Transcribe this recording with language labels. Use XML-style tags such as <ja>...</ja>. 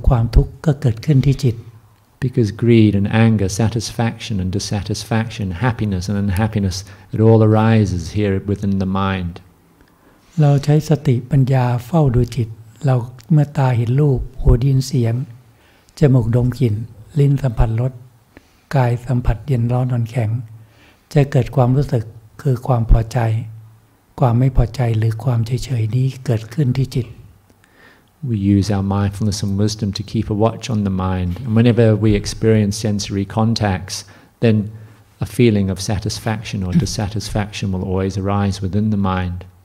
<th>เพราะความโลภก็เกิดขึ้นที่จิตความโกรธก็เกิดขึ้นที่จิตความพอใจความไม่พอใจก็เกิดขึ้นที่จิตความสุขความทุกข์ก็เกิดขึ้นที่จิต</th> <en>Because greed and anger, satisfaction and dissatisfaction, happiness and unhappiness, it all arises here within the mind.</en> <th>เราใช้สติปัญญาเฝ้าดูจิตเราเมื่อตาเห็นรูปหูได้ยินเสียงจมูกดมกลิ่นลิ้นสัมผัสรสกายสัมผัสเย็นร้อนอ่อนแข็งจะเกิดความรู้สึกคือความพอใจความไม่พอใจหรือความเฉยๆนี้เกิดขึ้นที่จิต</th> <en>We use our mindfulness and wisdom to keep a watch on the mind. And whenever we experience sensory contacts, then a feeling of satisfaction or dissatisfaction will always arise within the mind.</en>